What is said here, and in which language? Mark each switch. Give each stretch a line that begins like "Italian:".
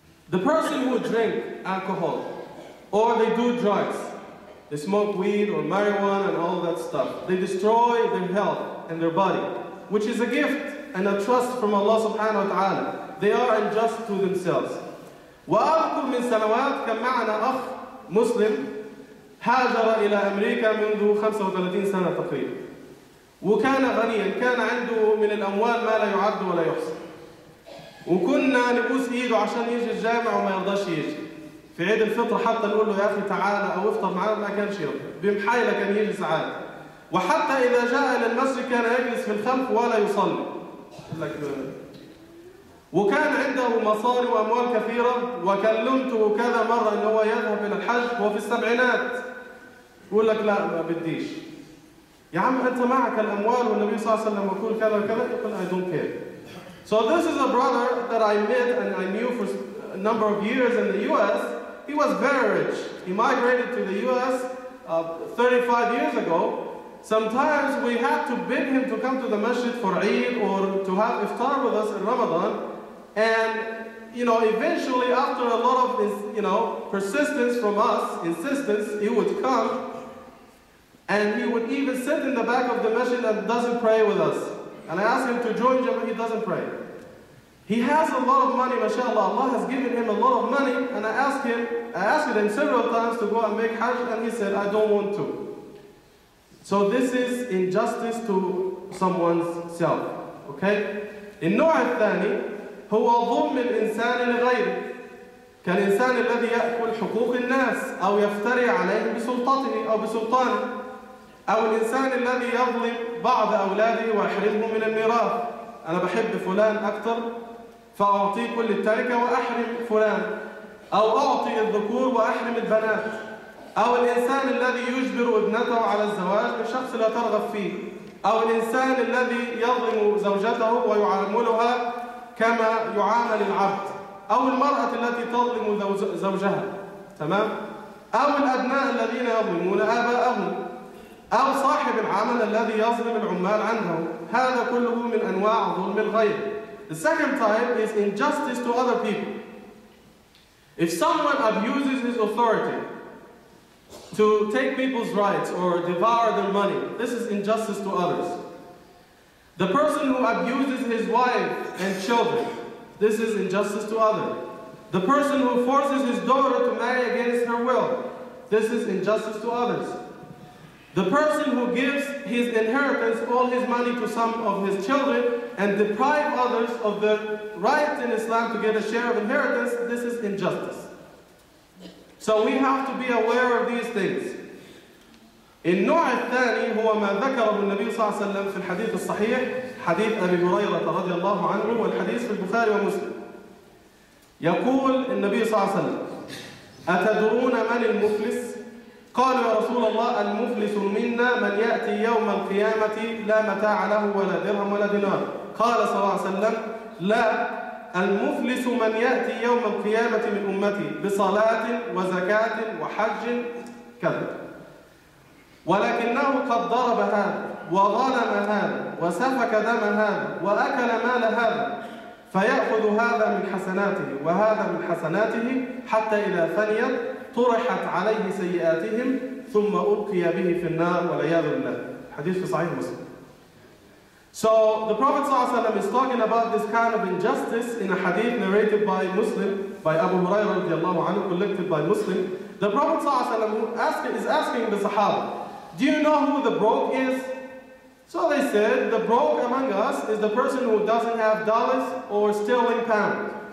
English: The person who drink alcohol, or they do drugs. They smoke weed or marijuana and all that stuff. They destroy their health and their body, which is a gift and a trust from Allah subhanahu wa ta'ala. They are unjust to themselves.
Arabic: وَأَرْكُمْ مِنْ سَنَوَاتْ كَمْ مَعَنَا أَخْ مُسْلِمْ هاجر إلى أمريكا منذ 35 سنة تقريبا وكان غنيا كان عنده من الأموال ما لا يعد ولا يحصى وكنا نبوس إيده عشان يجي الجامع وما يرضاش يجي في عيد الفطر حتى نقول له يا أخي تعال أو افطر معنا ما كانش يرضى بمحايله كان يجي ساعات وحتى إذا جاء إلى المسجد كان يجلس في الخلف ولا يصلي وكان عنده مصاري وأموال كثيرة وكلمته كذا مرة أنه هو يذهب إلى الحج هو في السبعينات يقول لك لا ما بديش يا عم أنت معك الأموال والنبي صلى الله عليه وسلم يقول كذا وكذا يقول
English: I don't care. So this is a brother that I met and I knew for a number of years in the US. He was very rich. He migrated to the US 35 years ago. Sometimes we had to beg him to come to the masjid for Eid or to have iftar with us in Ramadan. And, you know, eventually after a lot of, you know, persistence from us, insistence, he would come and he would even sit in the back of the masjid and doesn't pray with us. And I asked him to join Jama, he doesn't pray. He has a lot of money, mashallah. Allah has given him a lot of money. And I asked him several times to go and make hajj and he said, I don't want to. So this is injustice to someone's self, okay?
Arabic: النوع الثاني هو ظلم الإنسان لغيره كالإنسان الذي يأكل حقوق الناس أو يفتري عليهم بسلطته أو بسلطانه أو الإنسان الذي يظلم بعض أولاده ويحرمه من الميراث أنا بحب فلان أكثر فأعطيه كل التركة وأحرم فلان أو أعطي الذكور وأحرم البنات أو الإنسان الذي يجبر ابنته على الزواج من شخص لا ترغب فيه أو الإنسان الذي يظلم زوجته ويعاملها كما يعامل العبد أو المرأة التي تظلم زوجها تمام؟ أو الأبناء الذين يظلمون آباءهم أو صاحب العمل الذي يظلم العمال عنهم هذا كله من أنواع ظلم الغير.
English: The second type is injustice to other people. If someone abuses his authority to take people's rights or devour their money, this is injustice to others. The person who abuses his wife and children, this is injustice to others. The person who forces his daughter to marry against her will, this is injustice to others. The person who gives his inheritance, all his money to some of his children, and deprive others of the right in Islam to get a share of inheritance, this is injustice. So we have to be aware of these things.
Arabic: النوع الثاني هو ما ذكره النبي صلى الله عليه وسلم في الحديث الصحيح حديث أبي هريرة رضي الله عنه والحديث في البخاري ومسلم. يقول النبي صلى الله عليه وسلم أتدرون من المفلس؟ قالوا يا رسول الله المفلس منا من يأتي يوم القيامة لا متاع له ولا درهم ولا دينار. قال صلى الله عليه وسلم لا، المفلس من يأتي يوم القيامة من أمتي بصلاة وزكاة وحج كذا، ولكنه قد ضرب هذا وظلم هذا وسفك دم هذا وأكل مال هذا، فيأخذ هذا من حسناته وهذا من حسناته حتى إذا فنيت طرحت عليه سيئاتهم ثم أبقي به في النار والعياذ بالله. حديث في صحيح مسلم.
English: So the Prophet صلى الله عليه وسلم is talking about this kind of injustice in a hadith narrated by Muslim, by Abu Hurairah رضي الله عنه, collected by Muslim. The Prophet صلى الله عليه وسلم is asking the Sahaba, do you know who the broke is? So they said, the broke among us is the person who doesn't have dollars or sterling pounds.